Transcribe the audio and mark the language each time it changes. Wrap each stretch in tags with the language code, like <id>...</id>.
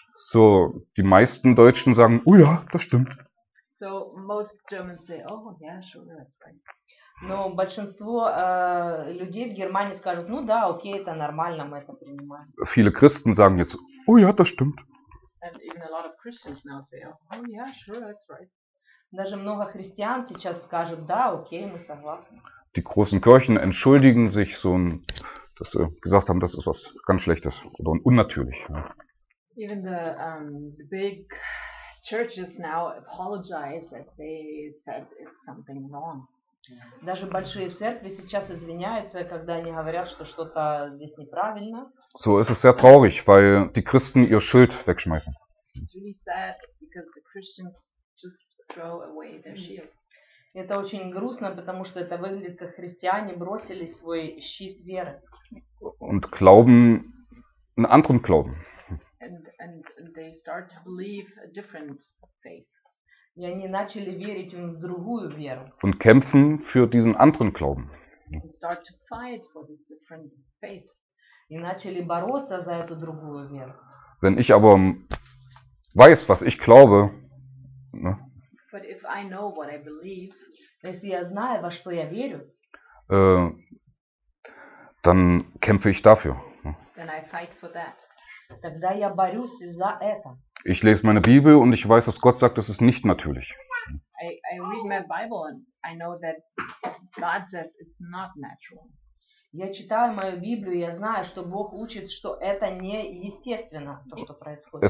<de>So, die meisten Deutschen sagen, oh ja, das stimmt.</de> <en>So, most Germans say, oh yeah, sure, that's fine.</en> <ru>Но большинство людей в Германии скажут, ну да, окей, это нормально, мы это принимаем.</ru> <de>Viele Christen sagen jetzt, oh ja, das stimmt.</de> <en>And even a lot of Christians now say, oh yeah, sure, that's right.</en> <ru>Даже много христиан сейчас скажут, да, окей, мы согласны.</ru> <de>Die großen Kirchen entschuldigen sich so, dass sie gesagt haben, das ist was ganz Schlechtes oder unnatürlich.</de> <en>Even the big churches now apologize that they said it's something wrong.</en> <ru>Даже большие церкви сейчас извиняются, когда они говорят, что что-то здесь неправильно.</ru> <de>So ist es sehr traurig, weil die Christen ihr Schild wegschmeißen.</de> <en>It's really sad because the Christians just throw away their shield.</en> <ru>Это очень грустно, потому что это выглядит, как христиане бросили свой щит веры.</ru> <de>Und glauben einen anderen Glauben.</de> <en>And they start to believe a different faith.</en> <ru>И они начали верить в другую веру.</ru> <de>Und kämpfen für diesen anderen Glauben.</de> <en>And start to fight for this different faith.</en> <ru>И начали бороться за эту другую веру.</ru> <de>Wenn ich aber weiß, was ich glaube, ne?</de> <en>But if I know what I believe,</en> <ru>если я знаю, во что я верю,</ru> <de>dann kämpfe ich dafür.</de> <en>Then I fight for that.</en> <ru>Тогда я борюсь за это.</ru> <de>Ich lese meine Bibel und ich weiß, dass Gott sagt, das ist nicht natürlich.</de> <en>I read my Bible and I know that God says it's not natural.</en> <ru>Я читаю мою Библию, я знаю, что Бог учит, что это не естественно, то, что происходит.</ru>